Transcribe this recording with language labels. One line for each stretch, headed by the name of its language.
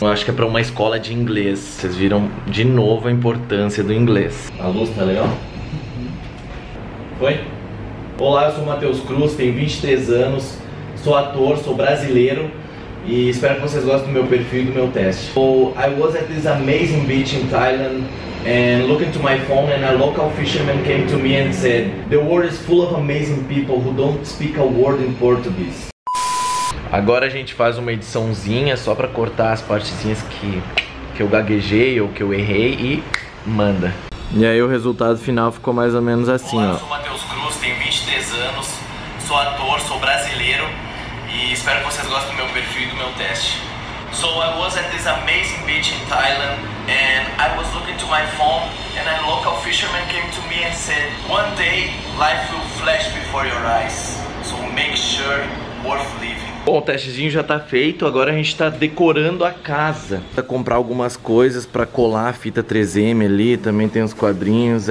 Portuguese: Eu acho que é pra uma escola de inglês. Vocês viram de novo a importância do inglês. A luz tá legal? Oi? Olá, eu sou o Matheus Cruz, tenho 23 anos, sou ator, sou brasileiro e espero que vocês gostem do meu perfil e do meu teste.
English: So, I was at this amazing beach in Thailand and looking to my phone and a local fisherman came to me and said the world is full of amazing people who don't speak a word in Portuguese.
Portuguese: Agora a gente faz uma ediçãozinha só pra cortar as partezinhas que eu gaguejei ou que eu errei e manda. E aí o resultado final ficou mais ou menos assim, olá, Eu sou o Matheus Cruz, tenho 23 anos, sou ator, sou brasileiro e espero que vocês gostem do meu perfil e do meu teste.
English: So I was at this amazing beach in Thailand and I was looking to my phone and a local fisherman came to me and said one day life will flash before your eyes, so make sure worth living.
Portuguese: Bom, o testezinho já tá feito, agora a gente tá decorando a casa. Pra comprar algumas coisas pra colar a fita 3M ali, também tem uns quadrinhos.